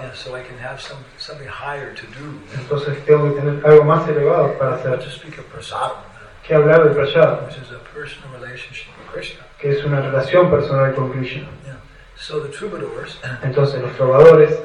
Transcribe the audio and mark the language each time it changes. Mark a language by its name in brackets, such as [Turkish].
[English] Yeah, so I can have something higher to do. [Spanish] Entonces, tengo que tener algo más elevado para hacer. [English] Just speak of prasadam. [Spanish] Que hablar del prasad, [English] which is a personal relationship with Krishna. [Spanish] Que es una relación personal con Krishna. [English] Yeah. So the troubadours, [Spanish] entonces los trovadores,